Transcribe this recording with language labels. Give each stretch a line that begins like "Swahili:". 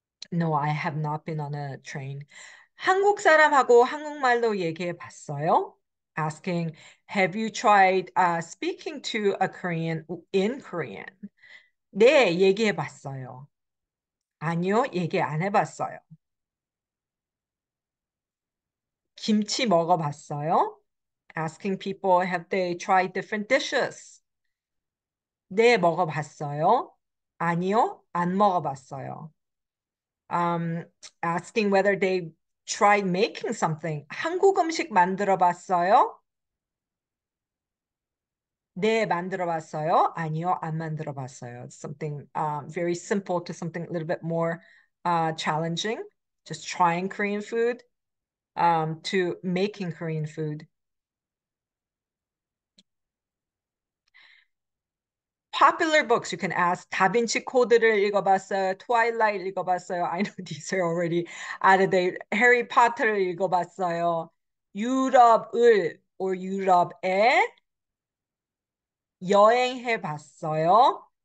English: No, I have not been on a train.
Korean: 한국 사람하고 한국말로 얘기해 봤어요?
English: Asking, have you tried speaking to a Korean in Korean?
Korean: 네, 얘기해 봤어요. 아니요, 얘기 안 해 봤어요. 김치 먹어 봤어요?
English: Asking people, have they tried different dishes?
Korean: 네, 먹어 봤어요. 아니요, 안 먹어 봤어요.
English: Asking whether they tried making something.
Korean: 한국 음식 만들어 봤어요? 네, 만들어봤어요. 아니요, 안 만들어봤어요.
English: Something very simple to something a little bit more challenging. Just trying Korean food to making Korean food. 'Popular books, you can ask
Korean: 다빈치 코드를 읽어봤어요, 트와일라이트 읽어봤어요.
English: I know these are already out of date.
Korean: 해리 포터를 읽어봤어요. 유럽을 or 유럽에 여행해 봤어요?